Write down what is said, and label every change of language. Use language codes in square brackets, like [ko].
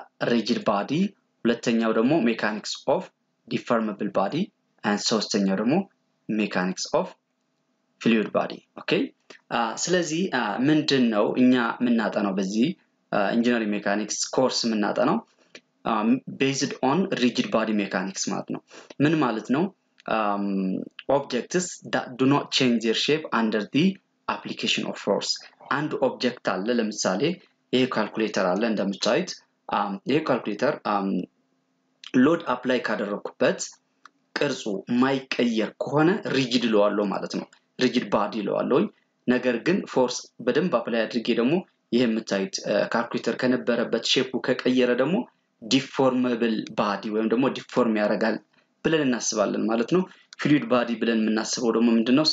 [am] ሪጅድ ባዲ፣ ሁለተኛው ደግሞ ሜካኒክስ ኦፍ ዲፎርመብል ባዲ፣ ሶስተኛው ደግሞ ሜካኒክስ ኦፍ ፍሉድ ባዲ። ኦኬ ስለዚህ ምንድን ነው እኛ የምናጠናው በዚህ ኢንጂነሪንግ ሜካኒክስ ኮርስ የምናጠናው ቤዝድ ኦን ሪጅድ ባዲ ሜካኒክስ ማለት ነው። ምን ማለት ነው? [en] Objects that do not change their shape under the application of force. [am] And object አለ ለምሳሌ ይሄ ካልኩሌተር አለ እንደምታዩት ይሄ ካልኩሌተር ሎድ አፕላይ ካደረኩበት ቅርጹ ማይቀየር ከሆነ ሪጅድ ለዋለው ማለት ነው። ሪጅድ ባዲ ለዋለው። ነገር ግን ፎርስ በደንብ አፕላይ አድርጌ ደግሞ ይሄ የምታዩት ካልኩሌተር ከነበረበት ሼፑ ከቀየረ ደግሞ ዲፎርመብል ባዲ ወይም ደግሞ ዲፎርም ያረጋል ብለን እናስባለን ማለት ነው። ፍሉድ ባዲ ብለን እናስበው ደግሞ ምንድነው?